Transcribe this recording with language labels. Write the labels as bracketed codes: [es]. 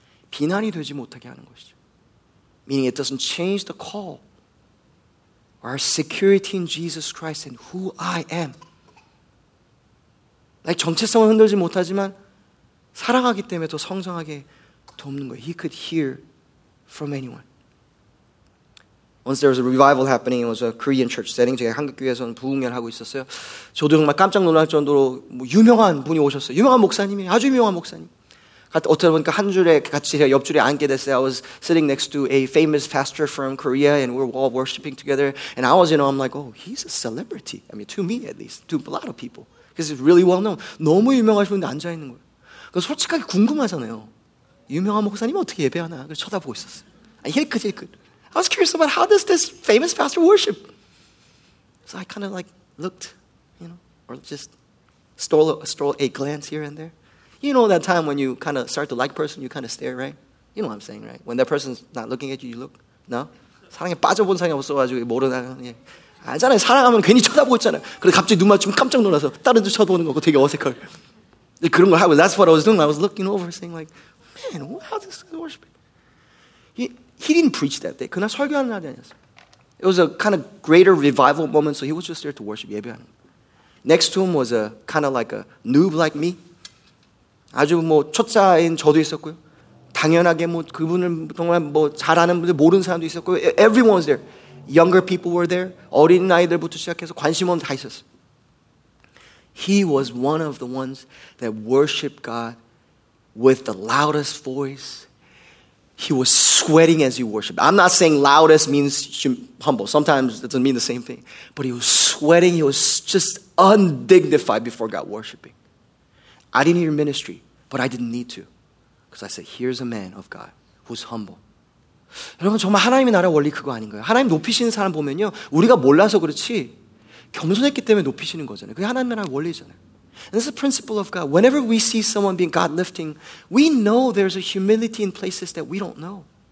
[ko] 비난이 되지 못하게 하는 것이죠. [en] Meaning it doesn't change the call. Our security in Jesus Christ and who I am. [ko] 나의 정체성을 흔들지 못하지만 사랑하기 때문에 더 성장하게 돕는 거예요. [en] He could hear from anyone. Once there was a revival happening, it was a Korean church setting. [ko] 제가 한국 교회에서는 부흥회를 하고 있었어요. 저도 정말 깜짝 놀랄 정도로 뭐 유명한 분이 오셨어요. 유명한 목사님이, 아주 유명한 목사님. 어떻게 보니까 한 줄에 같이 제가 옆줄에 앉게 됐어요. [en] I was sitting next to a famous pastor from Korea, and we were all worshiping together. And I was, you know, I'm like, oh, he's a celebrity. I mean, to me at least, to a lot of people, because he's really well known. [ko] 너무 유명하신 분이 앉아 있는 거예요. 그 솔직하게 궁금하잖아요. 유명한 목사님 어떻게 예배하나? 그 쳐다보고 있었어요. 힐끗힐끗. [en] I was curious about how does this famous pastor worship? So I kind of like looked, you know, or just stole a glance here and there. You know that time when you kind of start to like a person, you kind of stare, right? You know what I'm saying, right? When that person's not looking at you, you look. No? [ko] 사랑에 빠져본 사람이 없어가지고 모르는 예. 알잖아요. 사랑하면 괜히 쳐다보고 있잖아요. 그래서 갑자기 눈 맞추면 깜짝 놀라서 다른 데 쳐다보는 거 되게 어색할. 그런 걸 하고, [en] that's what I was doing. I was looking over, saying like, man, how does this worship? He didn't preach that day. [ko] 그날 설교하는 날이 아니었어요. [en] It was a kind of greater revival moment, so he was just there to worship, [ko] 예배하는 거. [en] Next to him was a kind of like a noob like me. [ko] 아주 뭐 초짜인 저도 있었고요. 당연하게 뭐 그분을 정말 뭐 잘 아는 분들, 모르는 사람도 있었고요. [en] Everyone was there. Younger people were there. [ko] 어린 아이들부터 시작해서 관심 없는 다 있었어요. [en] He was one of the ones that worshiped God with the loudest voice. He was sweating as he worshiped. I'm not saying loudest means humble. Sometimes it doesn't mean the same thing. But he was sweating. He was just undignified before God worshiping. I didn't hear ministry, but I didn't need to. Because I said, here's a man of God who's humble. [ko] 여러분, 정말 하나님의 나라 원리 그거 아닌가요? 하나님 높이시는 사람 보면요. 우리가 몰라서 그렇지. 겸손했기 때문에 높이시는 거잖아요. 그게 하나님의 나라 원리잖아요. [en] And this is the principle of God. Whenever we see someone being God lifting, we know there's a humility in places that we don't know.